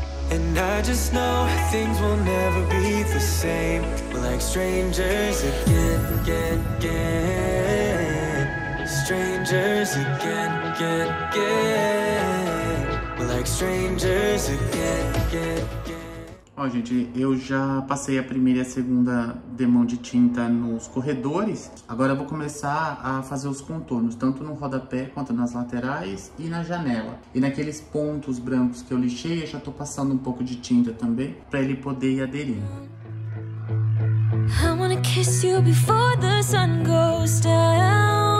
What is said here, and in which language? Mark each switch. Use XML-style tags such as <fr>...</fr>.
<en>And I just know things will never be the same. We're like strangers again, again, again. Strangers again, again, again. We're like strangers again, again.</en> <pt>Ó, gente, eu já passei a primeira e a segunda demão de tinta nos corredores. Agora eu vou começar a fazer os contornos, tanto no rodapé quanto nas laterais e na janela. E naqueles pontos brancos que eu lixei, eu já tô passando um pouco de tinta também pra ele poder ir aderindo.</pt> <en>I wanna kiss you before the sun goes down.</en>